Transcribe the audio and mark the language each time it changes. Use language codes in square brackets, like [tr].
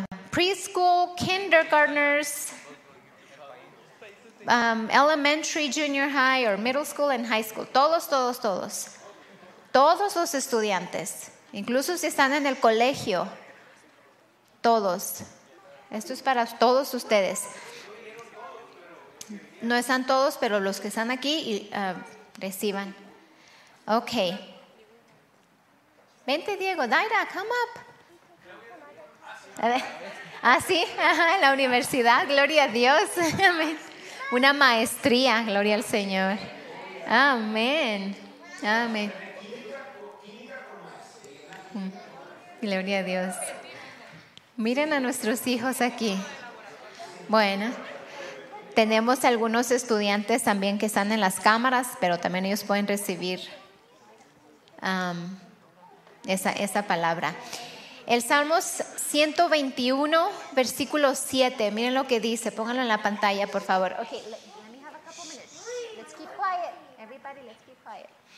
[en] Preschool, kindergartners, elementary, junior high, or middle school and high school. [es] Todos, todos, todos. Todos los estudiantes, incluso si están en el colegio. Todos. Esto es para todos ustedes. No están todos, pero los que están aquí, reciban. Ok. Vente, Diego. Daira, [en] come up. [es] A ver. Ah, sí. Ajá, en la universidad. Gloria a Dios. Una maestría. Gloria al Señor. Amén. Amén. Gloria a Dios. Miren a nuestros hijos aquí. Bueno, tenemos algunos estudiantes también que están en las cámaras, pero también ellos pueden recibir esa palabra. El Salmos 121, versículo 7. Miren lo que dice. Pónganlo en la pantalla, por favor. [en] Okay, let me have a couple minutes. Let's keep quiet. Everybody, let's keep quiet.